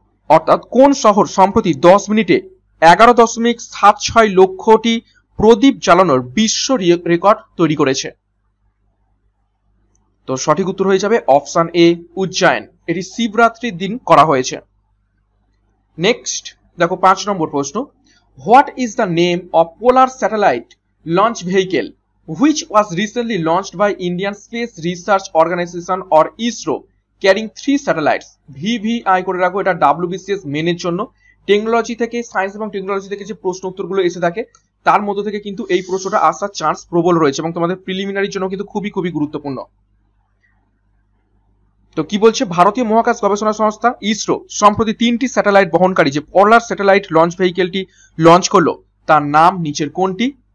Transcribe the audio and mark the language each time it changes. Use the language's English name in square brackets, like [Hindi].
[Bangla] অর্থাৎ কোন শহর সম্প্রতি 10 মিনিটে 11.76 লক্ষটি প্রদীপ জ্বালানোর বিশ্ব রেকর্ড তৈরি করেছে, তো সঠিক উত্তর হয়ে যাবে অপশন এ, উজ্জয়ন, এটি শিবরাত্রির দিন করা হয়েছে। নেক্সট দেখো পাঁচ নম্বর প্রশ্ন, [English] What is the name of polar satellite launch vehicle which was recently launched by Indian Space Research Organization or ISRO, carrying three satellites. [Bangla] VVI করে রাখো, এটা WBCS মেনের জন্য। টেকনোলজি থেকে, সায়েন্স এবং টেকনোলজি থেকে যে প্রশ্ন উত্তরগুলো এসে থাকে তার মধ্যে থেকে কিন্তু এই প্রশ্নটা আসার চান্স প্রবল রয়েছে এবং তোমাদের প্রিলিমিনারির জন্য কিন্তু খুবই খুবই গুরুত্বপূর্ণ। তো কি বলছে ভারতীয় মহাকাশ গবেষণা সংস্থা ইসরো, সম্প্রতি তিনটি স্যাটেলাইট বহনকারী যে পোলার স্যাটেলাইট লঞ্চ ভেহিকেলটি লঞ্চ করলো তার নাম নিচের কোনটি?